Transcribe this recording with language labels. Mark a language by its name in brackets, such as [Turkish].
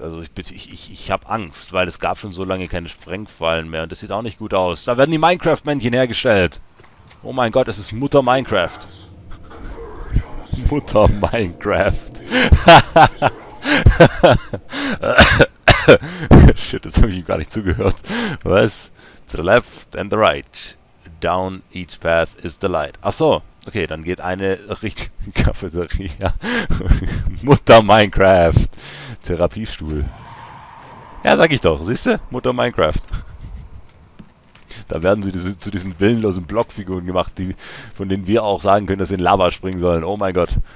[German] Also ich bitte, ich habe Angst, weil es gab schon so lange keine Sprengfallen mehr und das sieht auch nicht gut aus. Da werden die Minecraft-Männchen hergestellt. Oh mein Gott, es ist Mutter Minecraft. Mutter Minecraft. Shit, das habe ich ihm gar nicht zugehört. Was? [English] To the left and the right. Down each path is the light. [German] Ach so. Okay, dann geht eine richtige Cafeteria. Mutter Minecraft. Therapiestuhl. Ja, sag ich doch. Siehst du? Mutter Minecraft. Da werden sie zu diesen willenlosen Blockfiguren gemacht, die, von denen wir auch sagen können, dass sie in Lava springen sollen. Oh mein Gott.